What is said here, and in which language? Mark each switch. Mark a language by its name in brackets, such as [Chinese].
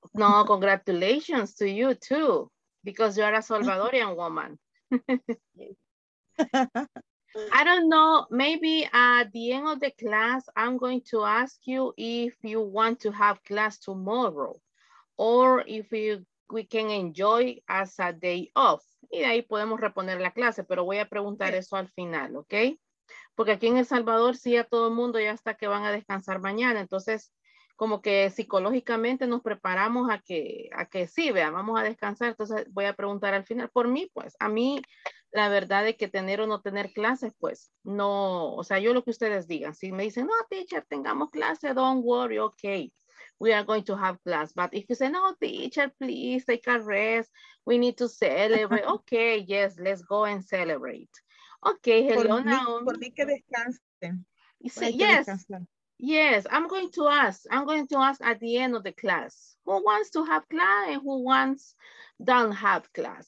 [English] No, congratulations to you too, because you are a Salvadorian woman. I don't know, maybe at the end of the class, I'm going to ask you if you want to have class tomorrow or if we can enjoy as a day off. [Spanish] Y de ahí podemos reponer la clase, pero voy a preguntar eso al final, ¿ok? Porque aquí en El Salvador sí a todo el mundo ya está que van a descansar mañana. Entonces, como que psicológicamente nos preparamos a que sí, vean, vamos a descansar. Entonces, voy a preguntar al final. Por mí, pues, a mí la verdad de que tener o no tener clases, pues, no, o sea, yo lo que ustedes digan. Si me dicen, no, teacher, tengamos clase, [English] don't worry, ok. We are going to have class, but if you say, no, teacher, please take a rest. We need to celebrate. Okay, yes, let's go and celebrate. Okay, hello, Naomi. [Spanish] Por mí que descansen. [English] Yes, yes, I'm going to ask at the end of the class, who wants to have class and who wants don't have class?